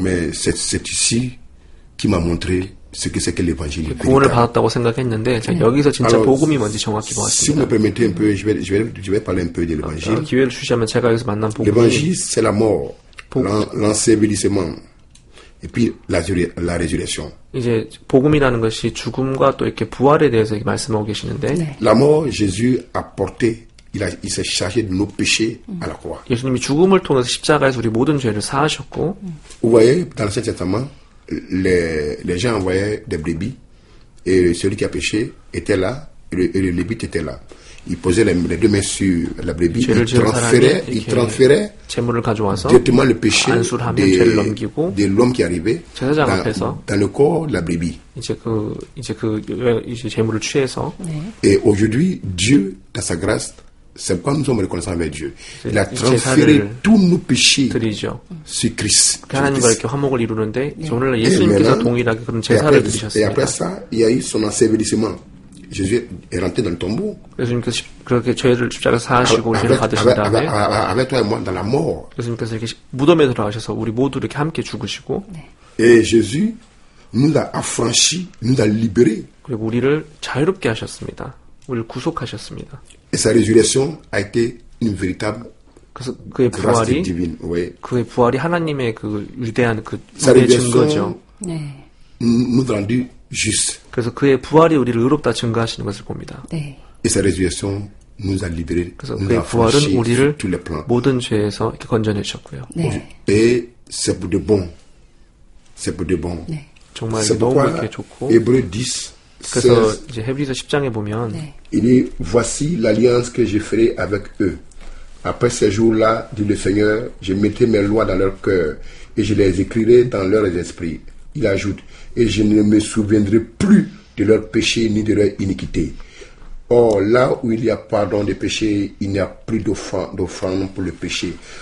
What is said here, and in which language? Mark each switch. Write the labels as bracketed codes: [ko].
[fr] Mais c'est ici qui m'a montré ce que c'est que l'évangile. [ko] 구원을 받았다고 생각했는데 제가 여기서 진짜 복음이 뭔지 정확히 보았습니다. [fr] Si vous me permettez un peu, je vais parler un peu de l'évangile. [ko] 기회를 주시면 제가 여기서 만난 복음. [fr] L'évangile, c'est la mort. L'ensevelissement et puis la résurrection. [ko] 이제 복음이라는 것이 죽음과 또 이렇게 부활에 대해서 이렇게 말씀하고 계시는데. 네. [fr] La mort, Jésus a porté. Il s'est chargé de nos péchés à la croix. [ko] 예수님이 죽음을 통해서 십자가에서 우리 모든 죄를 사하셨고. [fr] Vous voyez, dans l'Ancien Testament, les gens envoyaient des brebis et celui qui a péché était là et le lévite était là. Il posait les deux mains sur la brebis, il transférait directement le péché de l'homme qui arrivait dans le corps de la brebis. [ko] 이제 제물을 취해서. [fr] Et aujourd'hui, Dieu, dans sa grâce, c'est quoi nous sommes reconnaissants avec Dieu. Il a transféré tous nos péchés sur Christ. Et après ça, il y a eu son ensevelissement. Jésus est rentré dans le tombeau. [ko] 예수님께서 그렇게 죄를 십자가 사하시고 죄를 받으신 다음에 [fr] avec toi et moi dans la mort. [ko] 예수님께서 이렇게 무덤에 들어가셔서 우리 모두 이렇게 함께 죽으시고 네. [fr] Et Jésus nous a affranchi, nous a libéré. [ko] 그리고 우리를 자유롭게 하셨습니다. 우리를 구속하셨습니다. [fr] Et sa résurrection a été une véritable [ko] 그래서 그의 부활이 [fr] divine, ouais. [ko] 그의 부활이 하나님의 그 위대한 그 은혜 증거죠. 네. [fr] Nous rendu juste. [ko] 그래서 그의 부활이 우리를 의롭다 증거하시는 것을 봅니다. 네. [fr] Et sa résurrection nous a libéré. [ko] 그래서 그의 부활은 우리를 모든 죄에서 이렇게 건져내 주셨고요. 네. [fr] Et c'est pour de bon. C'est pour de bon. [ko] 네. 정말 너무 이렇게 좋고. [fr] Hébreux 10. [ko] 그래서 이제 헤브리서 10장에 보면 네. [fr] Il dit voici l'alliance que je ferai avec eux. Après ces jours-là, dit le Seigneur, je mettrai mes lois dans leur cœur et je les écrirai dans leurs esprits. Il ajoute, et je ne me souviendrai plus de leurs péchés ni de leur iniquité. Or, là où il y a pardon des péchés, il n'y a plus d'offrande pour le péché.